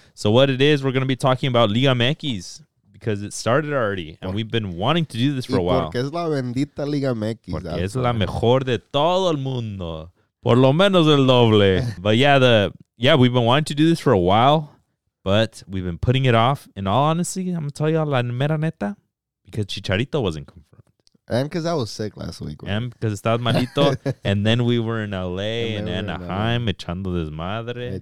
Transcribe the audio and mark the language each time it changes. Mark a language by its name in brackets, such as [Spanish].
[English] So what it is, we're going to be talking about Liga MX because it started already, and we've been wanting to do this for a while. [Spanish] Porque es la bendita Liga MX. Porque es la mejor de todo el mundo. Por lo menos el doble. [English] But yeah, we've been wanting to do this for a while. But we've been putting it off. In all honesty, I'm going to tell y'all [Spanish] la mera neta, [English] because Chicharito wasn't confirmed. And because I was sick last week. Right? And because [Spanish] estaba malito. [English] And then we were in LA and Anaheim, [Spanish] echando desmadre.